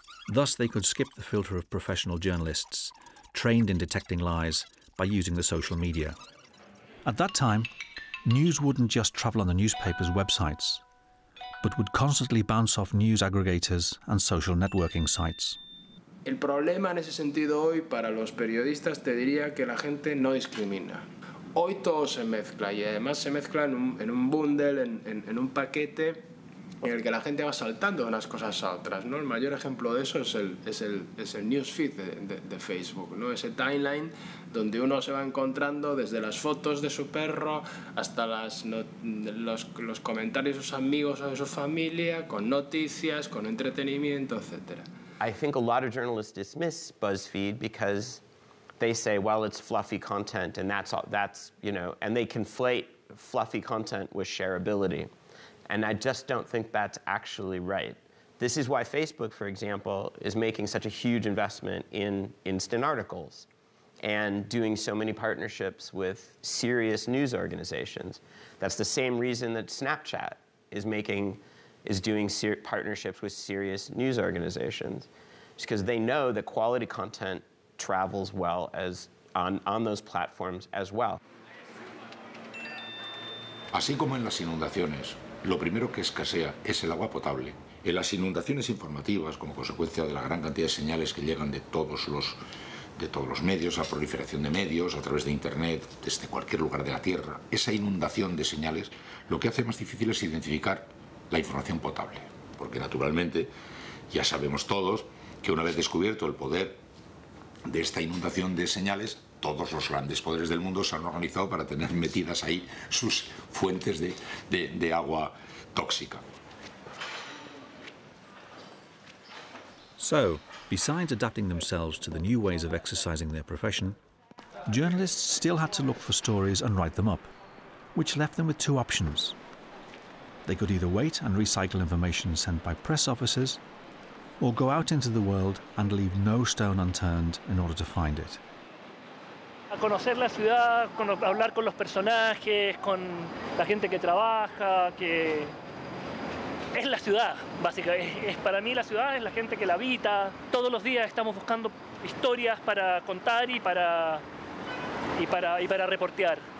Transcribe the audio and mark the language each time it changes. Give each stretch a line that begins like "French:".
English: Thus, they could skip the filter of professional journalists trained in detecting lies by using the social media. At that time, news wouldn't just travel on the newspapers' websites, but would constantly bounce off news aggregators and social networking sites.
Spanish: El problema en ese sentido hoy para los periodistas te diría que la gente no discrimina. Hoy todo se mezcla y además se mezcla en un bundle, en un paquete en el que la gente va saltando unas cosas a otras, ¿no? El mayor ejemplo de eso es el newsfeed de Facebook, ¿no? Ese timeline donde uno se va encontrando desde las fotos de su perro hasta los comentarios de sus amigos o de su familia con noticias, con entretenimiento, etcétera.
English: I think a lot of journalists dismiss BuzzFeed because they say, well, it's fluffy content, and that's all, that's, you know, and they conflate fluffy content with shareability. And I just don't think that's actually right. This is why Facebook, for example, is making such a huge investment in instant articles and doing so many partnerships with serious news organizations. That's the same reason that Snapchat is doing partnerships with serious news organizations, because they know that quality content travels well as on those platforms as well.
Spanish: Así como en las inundaciones, lo primero que escasea es el agua potable. En las inundaciones informativas, como consecuencia de la gran cantidad de señales que llegan de todos los medios, la proliferación de medios a través de Internet, desde cualquier lugar de la Tierra, esa inundación de señales lo que hace más difícil es identificar la información potable. Porque naturalmente, ya sabemos todos que una vez descubierto el poder de esta inundación de señales, todos los grandes poderes del mundo se han organizado para tener metidas ahí sus fuentes de agua tóxica.
English: So, besides adapting themselves to the new ways of exercising their profession, journalists still had to look for stories and write them up, which left them with two options. They could either wait and recycle information sent by press officers, or go out into the world and leave no stone unturned in order to find it.
Spanish: A conocer la ciudad, hablar con los personajes, con la gente que trabaja, que es la ciudad, básicamente. Para mí la ciudad es la gente que la habita. Todos los días estamos buscando historias para contar y para reportear.